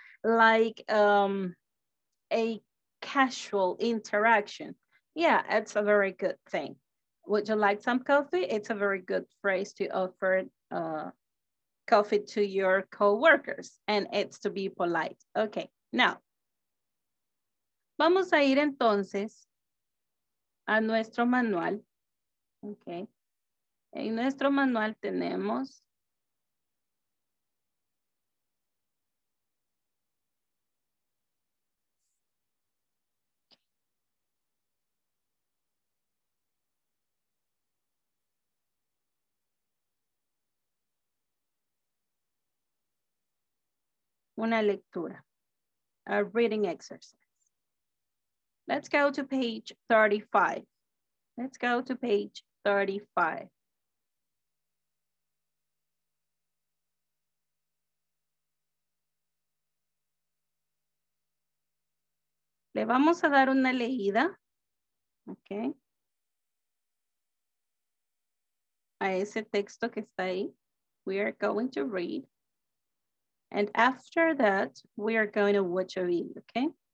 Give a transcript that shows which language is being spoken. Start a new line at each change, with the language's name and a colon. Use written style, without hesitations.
English: Like a casual interaction. Yeah, it's a very good thing. Would you like some coffee? It's a very good phrase to offer coffee to your coworkers, and it's to be polite.
Spanish: Okay, now, vamos a ir entonces a nuestro manual. Okay, en nuestro manual tenemos una lectura,
English: a reading exercise. Let's go to page 35. Let's go to page 35.
Spanish: Le vamos a dar una leída, okay, a ese texto que está ahí.
English: We are going to read. And after that, we are going to watch a video, okay?